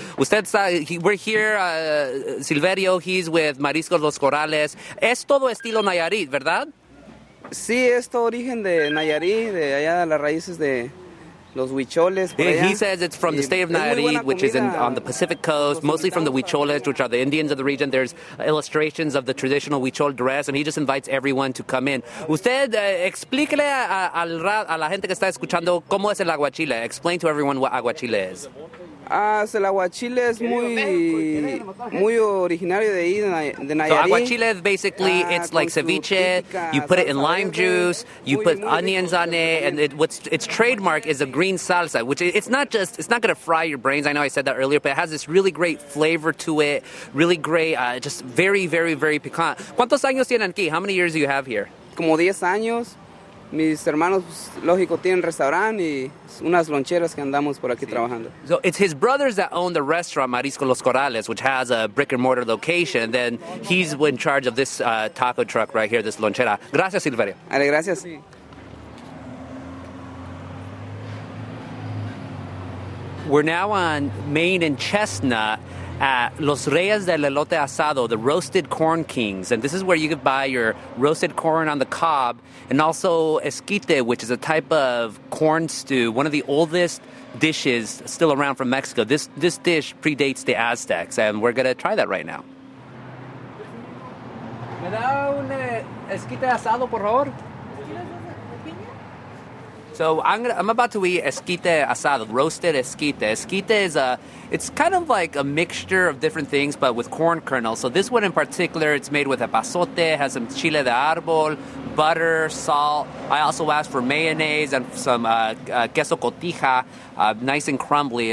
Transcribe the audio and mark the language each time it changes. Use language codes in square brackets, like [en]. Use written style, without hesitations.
[es] Usted está, [en] we're here, Silverio, he's with Mariscos Los Corales. [es] Es todo estilo Nayarit, ¿verdad? Sí, es todo origen de Nayarit, de allá de las raíces de... Los huicholes, [en] he says it's from the state of Nayarit, which is on the Pacific coast, mostly from the huicholes, which are the Indians of the region. There's illustrations of the traditional huichol dress, and he just invites everyone to come in. [es] Usted, explíquele a la gente que está escuchando cómo es el aguachile. [en] Explain to everyone what aguachile is. [es] El aguachile es muy originario de ahí, de Nayarit. [en] So aguachile, basically, it's like ceviche. You put it in lime juice. You put onions on it. And its trademark is a green salsa, which it's not going to fry your brains. I know I said that earlier, but it has this really great flavor to it. Really great, just very, very, very piquant. [es] ¿Cuántos años tienen aquí? [en] How many years do you have here? [es] Como 10 años. Mis hermanos, lógico, tienen restaurant y unas loncheras que andamos por aquí trabajando. [en] So it's his brothers that own the restaurant, Mariscos Los Corales, which has a brick-and-mortar location. Then he's in charge of this taco truck right here, this lonchera. [es] Gracias, Silverio. Ale, gracias. [en] We're now on Main and Chestnut at Los Reyes del Elote Asado, the Roasted Corn Kings. And this is where you can buy your roasted corn on the cob and also esquite, which is a type of corn stew, one of the oldest dishes still around from Mexico. This dish predates the Aztecs, and we're going to try that right now. [es] ¿Me da un esquite asado, por favor? [en] So I'm about to eat esquite asado, roasted esquite. Esquite is it's kind of like a mixture of different things, but with corn kernels. So this one in particular, it's made with epazote, has some chile de árbol, butter, salt. I also asked for mayonnaise and some queso cotija, nice and crumbly.